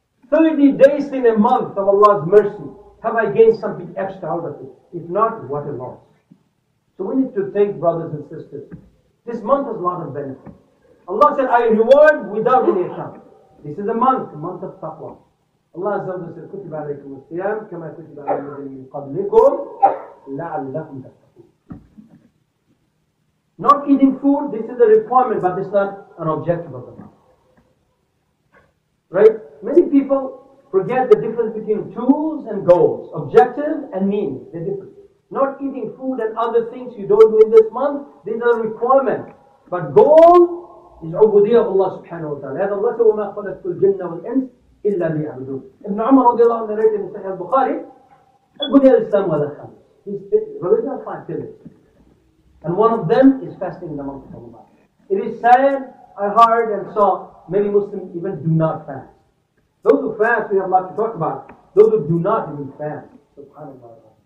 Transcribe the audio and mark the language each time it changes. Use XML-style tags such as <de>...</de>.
<en>30 days in a month of Allah's mercy, have I gained something extra out of it? If not, what a loss. So we need to think, brothers and sisters, this month has a lot of benefit. Allah said, I reward without any account. This is a month of taqwa.</en> <ar>الله عز وجل كتب عليكم الصيام كما كتب على الذين من قبلكم لعلكم تتقون.</ar> <en>Not eating food, this is a requirement, but it's not an objective of the month. Right? Many people forget the difference between tools and goals, objective and means. They're different. Not eating food and other things you don't do in this month, these are requirements. But goal is ubudiyya of Allah subhanahu wa ta'ala.</en> <ar>هذا الله وما خلقت الجنة والإنس إلا ليعبدون.</ar> <en>Ibn Umar radiallahu anhu narrated in Sahih al-Bukhari, ubudiyya al-Islam wa al-Kham. Religion has five pillars. And one of them is fasting in the month of Ramadan. It is said, I heard and saw, many Muslims even do not fast. Those who fast, we have a lot to talk about. Those who do not even fast, subhanAllah.</en>